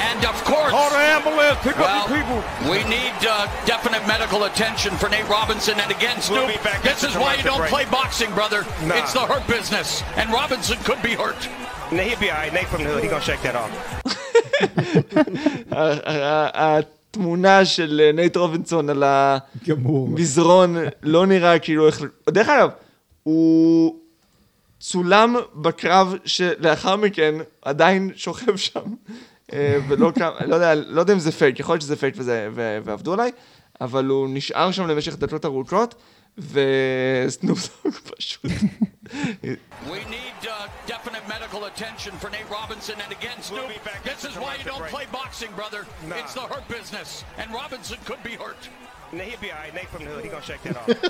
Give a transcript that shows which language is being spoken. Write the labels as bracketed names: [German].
[English] And of course, all the ambulance, pick well, up the people. We need definite medical attention for Nate Robinson. And again, Snoop, we'll be back. This is why you don't break. Play boxing, brother. Nah. It's the hurt business. And Robinson could be hurt. Nah, he'd be all right. Nate from the hood, he's going to shake that off. [Hebrew] התמונה של נייט רובינסון על המזרון לא נראה כאילו איך... דרך אגב, הוא צולם בקרב שלאחר מכן עדיין שוכב שם. ולא קם, לא יודע, לא יודע אם זה פייק, יכול להיות שזה פייק וזה, ועבדו עליי, אבל הוא נשאר שם למשך דקות ארוכות, וסנופ דוג פשוט. [English] We need definite medical attention for Nate Robinson and again Snoop. We'll this is why you don't break. Play boxing, brother. Nah. It's the hurt business. And Robinson could be hurt. Nah, he'd be all right. Nate from the hood, he's going to shake that off.